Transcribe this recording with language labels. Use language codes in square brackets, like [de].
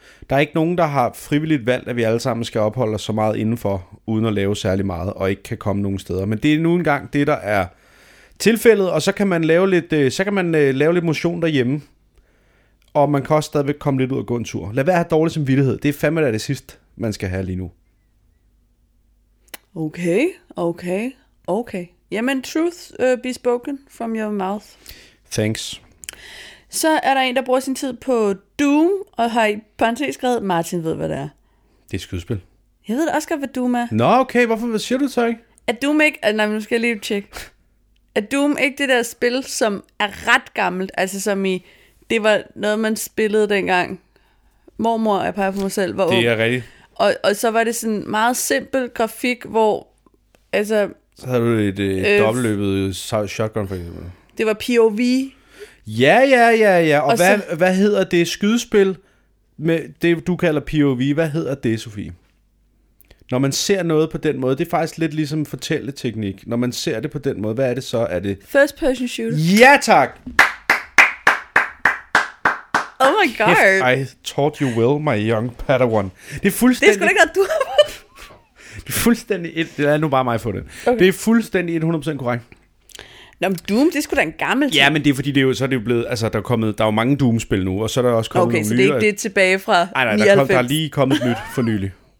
[da] Der er ikke nogen, der har frivilligt valgt, at vi alle sammen skal opholde os så meget indenfor, uden at lave særlig meget, og ikke kan komme nogen steder. Men det er nu engang det, der er tilfældet, og så kan man lave lidt, motion derhjemme. Og man kan også stadigvæk komme lidt ud og gå en tur. Lad være at have dårlig samvittighed. Det er fandme da det sidste, man skal have lige nu. Okay, okay, okay. [en] Jamen, truth be spoken from your mouth. Thanks. [da] Så er der en, der bruger sin tid på Doom, og har i parentes skrevet, Martin ved, hvad det er. Det er skydespil. Jeg ved også godt, hvad Doom er. Nå, okay, hvorfor hvad siger du så ikke? Er Doom ikke... Nej, men nu skal jeg lige tjekke. Er Doom ikke det der spil, som er ret gammelt, altså som i... Det var noget, man spillede dengang. Mormor, jeg peger på mig selv, var ung. Det er rigtigt. Og så var det sådan en meget simpel grafik, hvor... Altså, så havde du et dobbeltløbet shotgun, for eksempel. Det var POV. Ja, ja, ja, ja. Og hvad, så, hvad hedder det skydespil med det, du kalder POV? Hvad hedder det, Sofie? Når man ser noget på den måde, det er faktisk lidt ligesom fortælleteknik. Når man ser det på den måde, hvad er det så? Er det [en] first person shooter. [da] Ja, tak! [en] Oh my god. [da] Kæft, [en] I taught you well, my young padawan. [da] Det er fuldstændig... Det er sgu ikke, at du har fået. Det er fuldstændig... Det er nu bare mig for det. Okay. Det er fuldstændig 100% korrekt. Nå, men Doom, det er sgu da en gammel ting. Ja, men det er fordi, det er jo, så er det jo blevet... Altså, der er kommet... Der er jo mange Doom-spil nu, og så er der også kommet okay, nogle nye... Okay, så det er ikke det tilbage fra 99? Nej, der er lige kommet nyt for nylig.